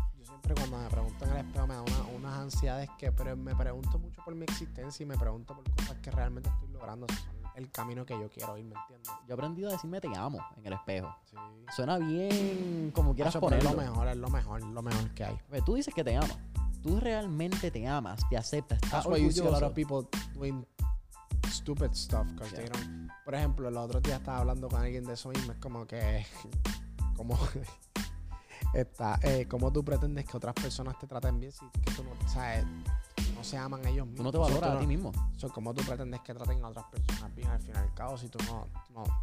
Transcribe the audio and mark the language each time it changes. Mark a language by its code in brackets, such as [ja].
[es] Yo siempre cuando me preguntan en el espejo me da unas ansiedades que... Pero me pregunto mucho por mi existencia y me pregunto por cosas que realmente estoy logrando. Son el camino que yo quiero ir, ¿me entiendes? Yo he aprendido a decirme te amo en el espejo. Sí. Suena bien como quieras ponerlo. Es lo mejor que hay. Pero tú dices que te amas. Tú realmente te amas, te aceptas. [en] That's why you see a lot of people doing stupid stuff. Because they don't... [es] Por ejemplo, el otro día estaba hablando con alguien de eso mismo. Es como que... Como... Está, ¿cómo tú pretendes que otras personas te traten bien si que tú no, o sea, no se aman ellos mismos? Tú no te valoras a ti mismo. O sea, ¿cómo tú pretendes que traten a otras personas bien al fin y al cabo si tú no?